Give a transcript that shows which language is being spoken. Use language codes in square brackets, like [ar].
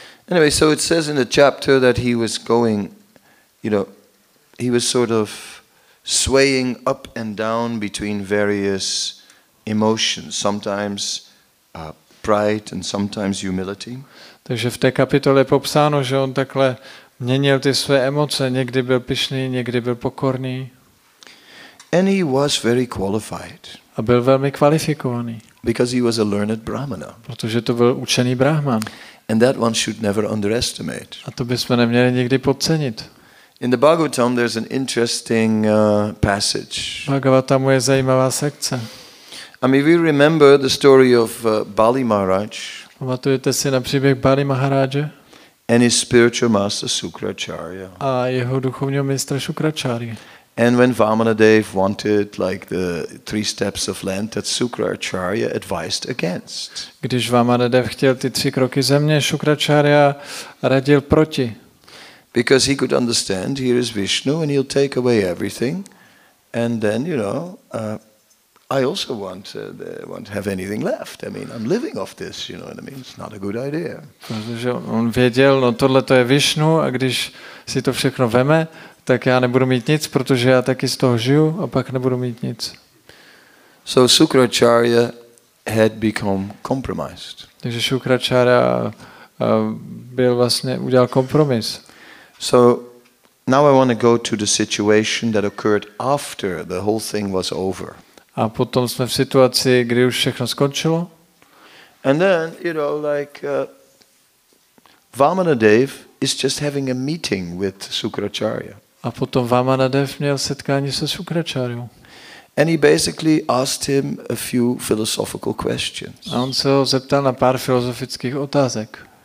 [en] Anyway, so it says in the chapter that he was going, you know, he was sort of swaying up and down between various emotions, sometimes pride and sometimes humility. [cs] Takže v té kapitole je popsáno, že on takhle měnil ty své emoce, někdy byl pyšný, někdy byl pokorný. [en] And he was very qualified. [cs] A byl velmi kvalifikovaný. [en] Because he was a learned brahmana. [cs] Protože to byl učený brahman. [en] And that one should never underestimate. [cs] A to bychom neměli nikdy podcenit. [en] In the Bhagavatam there's an interesting passage. [cs] Bhagavatamu je zajímavá sekce. [en] I mean, we remember the story of Bali Maharaj. [cs] Pamatujete si na příběh Bali Maharaje? [en] And his spiritual master Shukracharya. [cs] A jeho duchovního mistra Shukracharya. [en] And when Vamanadev wanted like the three steps of land that Shukracharya advised against. [cs] Když Vamanadev chtěl ty tři kroky země, Shukracharya radil proti. [en] Because he could understand here is Vishnu and he'll take away everything and then you know I also won't have anything left. I mean, I'm living off this, you know what I mean? It's not a good idea. [cs] Protože on věděl, no tohle to je Vishnu a když si to všechno veme, tak já nebudu mít nic, protože já taky z toho žiju a pak nebudu mít nic. [en] So Shukracharya had become compromised. [cs] Takže Shukracharya byl vlastně udělal kompromis. [en] So now I want to go to the situation that occurred after the whole thing was over. [cs] A potom jsme v situaci, kdy už všechno skončilo. [en] And then, you know, like Vamanadev is just having a meeting with Sukracharya. [cs] A potom Vamanadev měl setkání se Sukracharyou. [en] And he basically asked him a few philosophical questions. [cs] A on se ho zeptal na pár filozofických otázek.